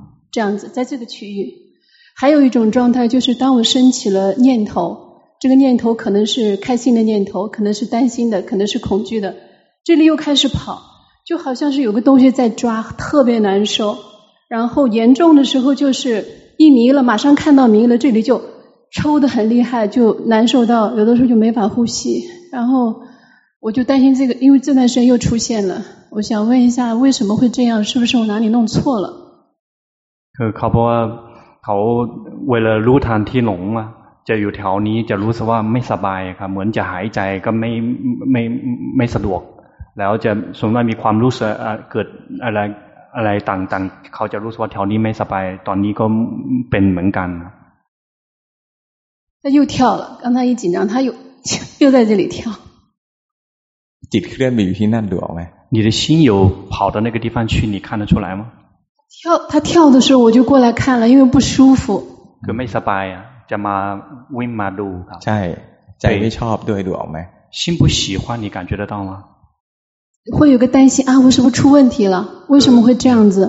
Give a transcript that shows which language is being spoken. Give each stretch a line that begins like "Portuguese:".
Chinese: 这样子在这个区域还有一种状态就是当我升起了念头这个念头可能是开心的念头可能是担心的可能是恐惧的这里又开始跑就好像是有个东西在抓特别难受然后严重的时候就是一迷了马上看到迷了这里就抽得很厉害就难受到有的时候就没法呼吸然后我就担心这个因为这段时间又出现了我想问一下为什么会这样是不是我哪里弄错了可靠不啊
Thai: เขาเวลารู้ทันที่หลงอ่ะจะอยู่แถวนี้จะรู้สึกว่าไม่สบายครับเหมือนจะหายใจก็ไม่สะดวกแล้วจะสมมติมีความรู้สึกเกิดอะไรอะไรต่างๆเขาจะรู้สึกว่าแถวนี้ไม่สบายตอนนี้ก็เป็นเหมือนกัน แล้วก็
Chinese: 跳了刚才一紧张他又在这里跳
Thai: จิตเคลื่อนไปอยู่ที่นั่นดูออกไหม
Chinese: 你的心有跑到那个地方去你看得出来吗他跳的时候我就过来看了因为不舒服可没
Thai: สบาย啊จะมาวิ่งมาดูครับ ใช่ใจไม่ชอบด้วยดูออกไหม
Chinese: 心不喜欢你感觉得到吗会有个担心啊我是不是出问题了为什么会这样子